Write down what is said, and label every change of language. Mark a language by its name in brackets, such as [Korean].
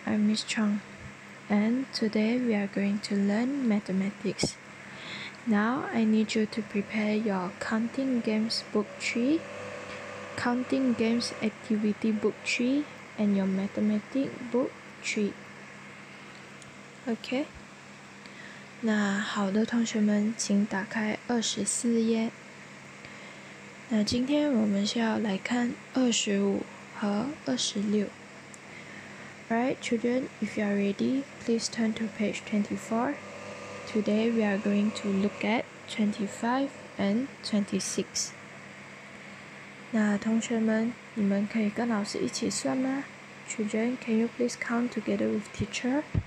[English] I'm Miss Chong, and today we are going to learn mathematics. Now, I need you to prepare your Counting Games Book 3, Counting Games Activity Book 3, and your Mathematics Book 3. Okay? [Chinese] 那好的同学们，请打开24页。那今天我们是要来看25和26。 [English] Alright, children, if you are ready, please turn to page 24. Today, we are going to look at 25 and 26. [Chinese] 那同学们，你们可以跟老师一起算吗？ [English] Children, can you please count together with teacher?